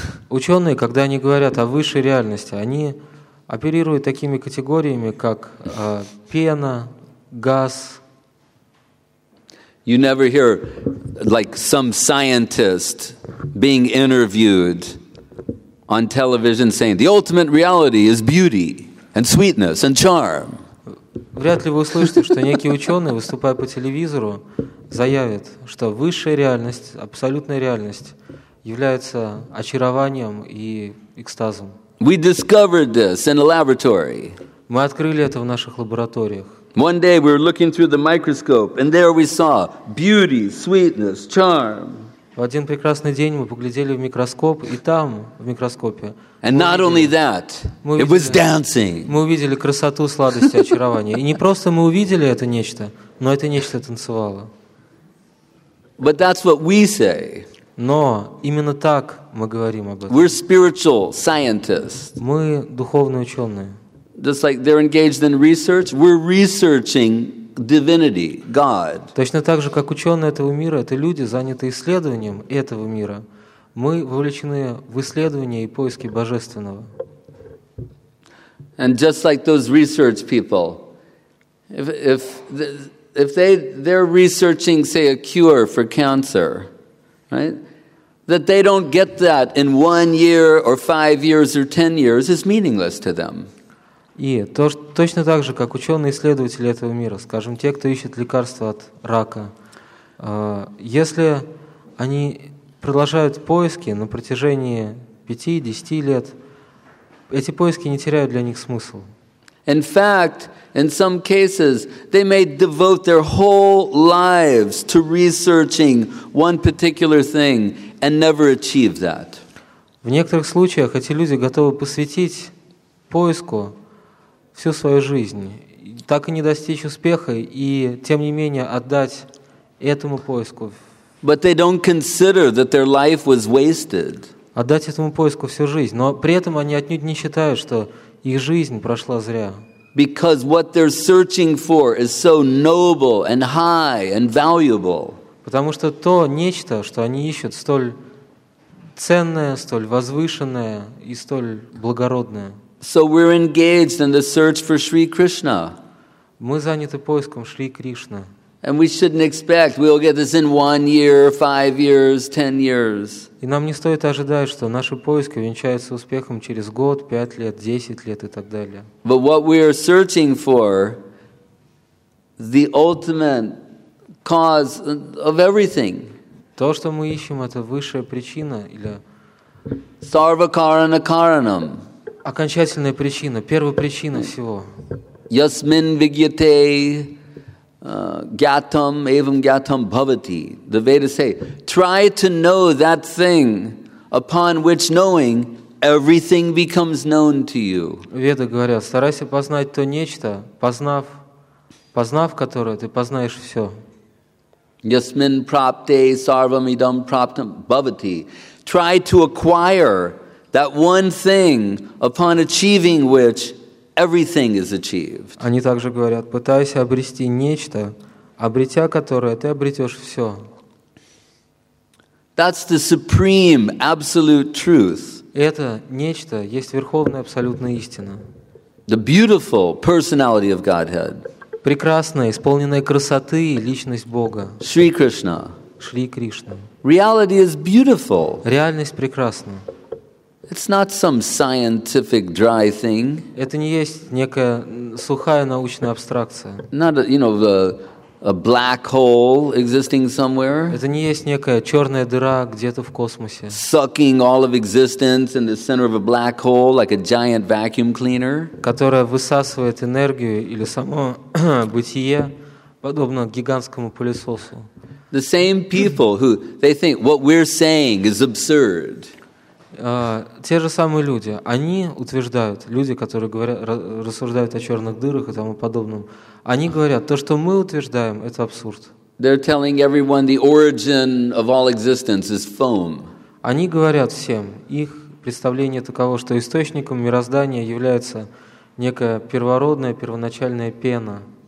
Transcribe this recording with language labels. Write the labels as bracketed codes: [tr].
[ru] Ученые, когда они говорят о высшей реальности, они оперируют такими категориями, как пена, газ. [en] You never hear like some scientist being interviewed on television saying the ultimate reality is beauty and sweetness and charm. [ru] Вряд ли вы услышите, что некий ученый, выступая по телевизору, заявит, что высшая реальность, абсолютная реальность, является очарованием и экстазом. [en] We discovered this in a laboratory. [ru] Мы открыли это в наших лабораториях. [en] One day we were looking through the microscope, and there we saw beauty, sweetness, charm. [ru] В один прекрасный день мы поглядели в микроскоп, и там в микроскопе. [en] And not only that, it was dancing. [ru] Мы увидели красоту, сладость, очарование, и не просто мы увидели это нечто, но это нечто танцевало. [en] But that's what we say. [ru] Но именно так мы говорим об этом. [en] We're spiritual scientists. [ru] Мы духовные ученые. [en] Just like they're engaged in research, we're researching divinity, God. [ru] Точно так же, как ученые этого мира, это люди, занятые исследованием этого мира. Мы вовлечены в исследование и поиски божественного. [en] And just like those research people, if they're researching, say, a cure for cancer, right? That they don't get that in 1 year or 5 years or 10 years is meaningless to them. [ru] И точно так же, как ученые-исследователи этого мира, скажем, те, кто ищет лекарства от рака, если они продолжают поиски на протяжении 5-10 лет, эти поиски не теряют для них смысл. [en] In fact, in some cases, they may devote their whole lives to researching one particular thing and never achieve that. [ru] В некоторых случаях эти люди готовы посвятить поиску всю свою жизнь, так и не достичь успеха, и тем не менее отдать этому поиску. [en] But they don't consider that their life was wasted. [ru] Отдать этому поиску всю жизнь, но при этом они отнюдь не считают, что их жизнь прошла зря. [en] Because what they're searching for is so noble and high and valuable. [ru] Потому что то нечто, что они ищут, столь ценное, столь возвышенное и столь благородное. [en] So we're engaged in the search for Sri Krishna. [ru] Мы заняты поиском Шри Кришны. [en] And we shouldn't expect we'll get this in 1 year, 5 years, 10 years. [ru] И нам не стоит ожидать, что наши поиски увенчаются успехом через год, 5 лет, 10 лет и так далее. [en] But what we are searching for, the ultimate cause of everything. [ru] То, что мы ищем, это высшая причина или [sa] Sarva Karana Karanam. [ru] Окончательная причина, первопричина всего. [sa] Ясмин вигьяте гятам эвам гятам бхавати. [en] The Vedas say, try to know that thing upon which knowing everything becomes known to you. [ru] Веды говорят, старайся познать то нечто, познав познав которое, ты познаешь все. [sa] Yasmin prapte sarvam idam praptam bhavati. [en] Try to acquire that one thing upon achieving which everything is achieved. [ru] Они также говорят: пытайся обрести нечто, обретя которое, ты обретешь все. [en] That's the supreme absolute truth. [ru] Это нечто есть верховная абсолютная истина. [en] The beautiful personality of Godhead. [ru] Прекрасная, исполненная красоты личность Бога. Шри Кришна. Шри Кришна. [en] Reality is beautiful. [ru] Реальность прекрасна. [en] It's not some scientific dry thing. [ru] Это не есть некая сухая научная абстракция. [en] Not a, you know, a black hole existing somewhere. [ru] Это не есть некая черная дыра где-то в космосе. [en] Sucking all of existence in the center of a black hole like a giant vacuum cleaner. [ru] Которая высасывает энергию или само бытие подобно гигантскому пылесосу. [en] The same people who they think what we're saying is absurd. [ru] Те же самые люди, они утверждают, люди, которые говорят, рассуждают о черных дырах и тому подобном, они говорят, то, что мы утверждаем, это абсурд. [en] They're telling everyone the origin of all existence is foam. [ru] Они говорят всем, их представление таково, что источником мироздания является некая первородная, первоначальная пена.